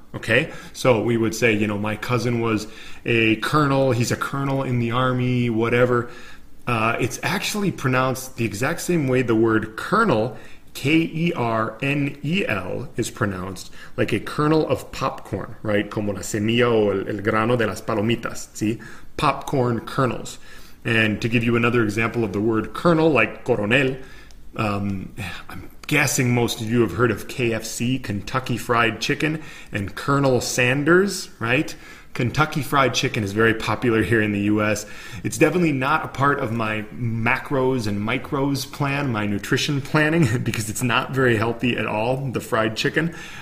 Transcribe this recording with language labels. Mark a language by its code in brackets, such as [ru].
[en] Okay, so we would say, you know, my cousin was a colonel, he's a colonel in the army, whatever. It's actually pronounced the exact same way the word kernel, K-E-R-N-E-L, is pronounced, like a kernel of popcorn, right? [es] Como la semilla o el grano de las palomitas, ¿sí? [en] Popcorn kernels. And to give you another example of the word kernel, like coronel, I'm guessing most of you have heard of KFC, Kentucky Fried Chicken, and Colonel Sanders, right? Kentucky Fried Chicken is very popular here in the U.S. It's definitely not a part of my macros and micros plan, my nutrition planning, because it's not very healthy at all, the fried chicken.